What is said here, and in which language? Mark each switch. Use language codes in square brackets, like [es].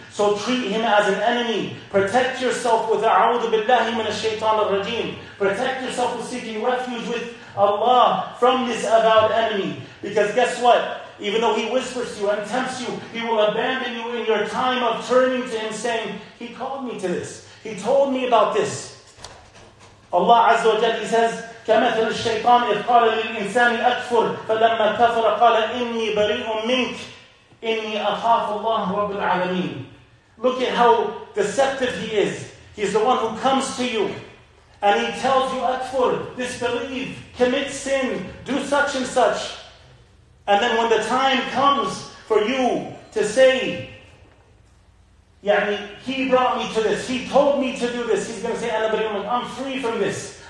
[en] So treat him as an enemy. Protect yourself with a'udhu billahi minash shaitan ar-rajim. Protect yourself with seeking refuge with Allah from this avowed enemy. Because guess what? Even though he whispers to you and tempts you, he will abandon you in your time of turning to him saying, he called me to this. He told me about this. [ar] Allah Azza wa Jalla, [en] he says, [ar] كَمَثَلُ الشَّيْطَانِ إِذْ قَالَ لِلْإِنسَانِ أَكْفُرْ فَلَمَّا كَفَرَ قَالَ إِنِّي بَرِيءٌ مِنْكَ إِنِّي أَخَافُ اللَّهُ رَبُّ الْعَالَمِينَ. [en] Look at how deceptive he is. He's the one who comes to you and he tells you, akfur, disbelieve, commit sin, do such and such. And then when the time comes for you to say, yani, he brought me to this, he told me to do this, he's going to say, [ar] أَنَا بَرِيمًا, [en] I'm free from this.